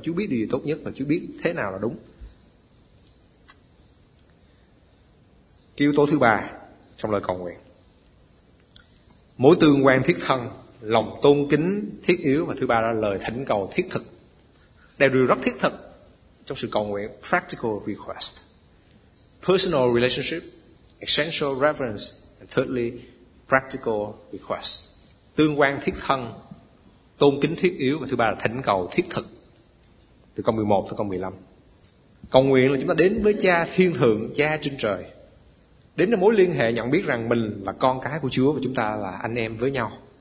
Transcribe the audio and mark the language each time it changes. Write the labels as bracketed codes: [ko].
[vi] Chúa biết điều gì tốt nhất và Chúa biết thế nào là đúng. Cái yếu tố thứ ba trong lời cầu nguyện: mối tương quan thiết thân, lòng tôn kính thiết yếu. Và thứ ba là lời thỉnh cầu thiết thực. Đều điều rất thiết thực trong sự cầu nguyện. [en] Practical request, personal relationship, essential reverence, and thirdly, practical request. [vi] Tương quan thiết thân, tôn kính thiết yếu, và thứ ba là thỉnh cầu thiết thực. Từ câu 11 tới câu 15. Cầu nguyện là chúng ta đến với Cha Thiên Thượng, Cha trên trời, đến với mối liên hệ nhận biết rằng mình là con cái của Chúa và chúng ta là anh em với nhau.